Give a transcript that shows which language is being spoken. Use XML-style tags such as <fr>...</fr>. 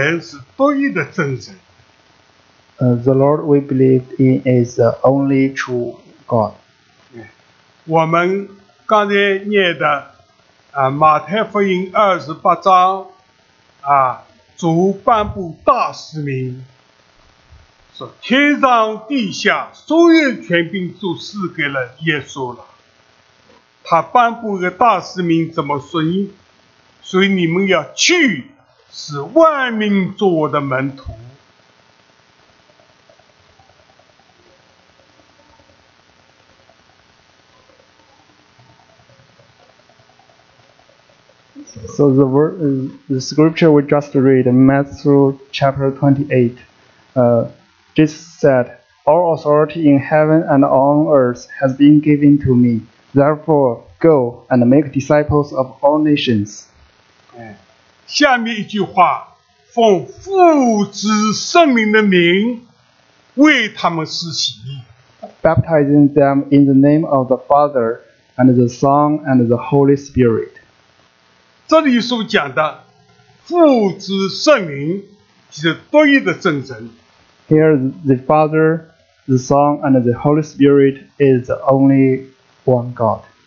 <en>The Lord we believe in is the only true God.</en> <zh>我们刚才念的 马太福音28章，主颁布大使命，说天上地下所有权柄都赐给了耶稣了。他颁布个大使命怎么说？所以你们要去，使万民做我的门徒。</zh> <en>So the scripture we just read, Matthew chapter 28, Jesus said, "All authority in heaven and on earth has been given to me. Therefore, go and make disciples of all nations."</en> <zh>下面一句话, 奉父子圣灵的名为他们施洗,</zh> <en>baptizing them in the name of the Father and the Son and the Holy Spirit.</en> <zh>这里所讲的父、子、圣灵是独一的真神。</zh> <en>Here the Father, the Son, and the Holy Spirit is the only one God.</en>